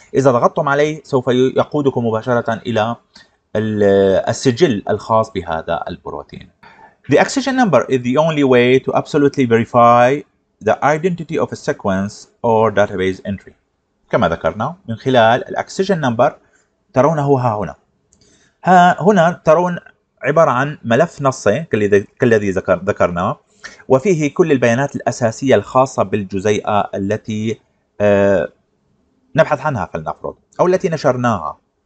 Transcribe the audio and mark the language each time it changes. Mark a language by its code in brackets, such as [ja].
[ar] إذا ضغطتم عليه سوف يقودكم مباشرة إلى السجل الخاص بهذا البروتين. [en] The accession number is the only way to absolutely verify the identity of a sequence or database entry. [ar] كما ذكرنا من خلال الأكسشن نمبر ترونه ها هنا. هنا ترون عبارة عن ملف نصي كالذي ذكرناه، وفيه كل البيانات الأساسية الخاصة بالجزيئة التي نبحث عنها فلنفرض أو التي نشرناها.